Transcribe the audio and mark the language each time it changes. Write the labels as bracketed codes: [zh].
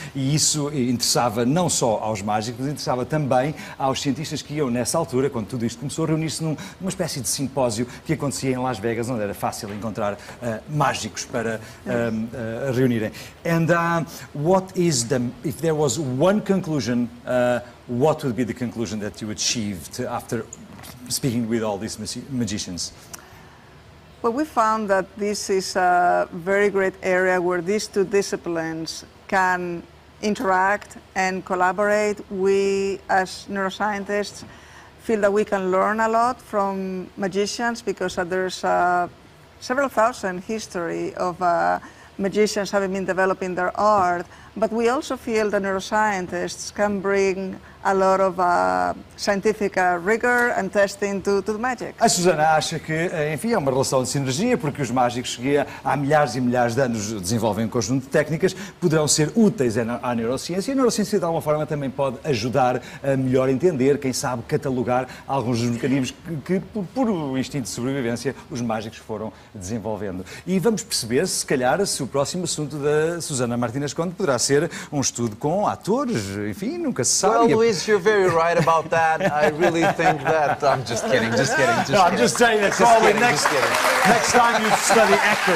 [pt] E isso interessava não só aos mágicos, interessava também aos cientistas que iam nessa altura, quando tudo isto começou, reunir-se numa espécie de simpósio que acontecia em Las Vegas, onde era fácil encontrar mágicos para reunirem. [en] And what is the... If there was one conclusion... What would be the conclusion that you achieved after speaking with all these magicians? Well, we found that this is a very great area where these two disciplines can interact and collaborate. We, as neuroscientists, feel that we can learn a lot from magicians because there's several thousand history of magicians having been developing their art. But we also feel that neuroscientists can bring a lot of scientific rigor and testing to the magic. [pt] A Susana acha que, enfim, é uma relação de sinergia, porque os mágicos que há milhares e milhares de anos desenvolvem um conjunto de técnicas, poderão ser úteis à neurociência, e a neurociência de alguma forma também pode ajudar a melhor entender, quem sabe catalogar alguns dos mecanismos que por instinto de sobrevivência, os mágicos foram desenvolvendo. E vamos perceber, se calhar, se o próximo assunto da Susana Martínez Conde poderá ser um estudo com atores, enfim, nunca se sabe. [en] Well, Luis, you're very right about that. I really think that. I'm just kidding, just kidding, just kidding. No, I'm just saying that, Colby, next time you study actors.